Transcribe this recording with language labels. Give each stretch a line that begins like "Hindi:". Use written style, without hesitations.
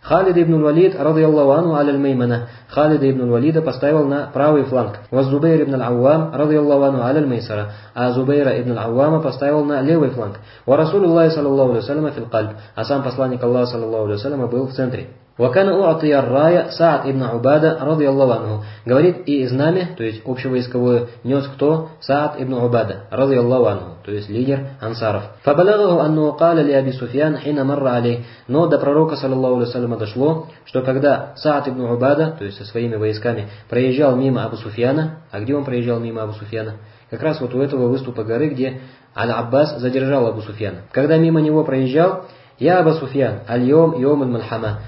Russian: Халид ибн аль-Валид,
Arabic: радиаллаху анху аль-Маймана,
Russian: Халида ибн аль-Валида поставил на правый фланг. Вазубейр ибн аль-Аввам,
Arabic: радиаллаху анху аль-Майсара,
Russian: а Зубейра ибн аль-Аввама поставил на левый фланг.
Arabic: Ва расулуллахи саллаллаху алейхи ва саллям фил кальб,
Russian: а сам посланник Аллаха саллаллаху алейхи ва саллям был в центре.
Arabic: وكان أعطي الراية سعد ابن عبادة رضي الله عنه.
Russian: Говорит, и знамя, то есть общевойсковое, нес кто? Саад ибн Убада,
Arabic: رضي الله عنه,
Russian: то есть лидер ансаров.
Arabic: فبلغه أنه قال لأبي سفيان حين مر عليه.
Russian: Но до пророка саллаллаху алейхи ва саллям дошло, что когда Саад ибн Убада, то есть со своими войсками, проезжал мимо Абу Суфьяна, а где он проезжал мимо Абу Суфьяна? Как раз вот у этого выступа горы, где Аль-Аббас задержал Абу Суфьяна. Когда мимо него проезжал, «Я Абу Суфьян,
Arabic: аль-йом йом аль-мальхама».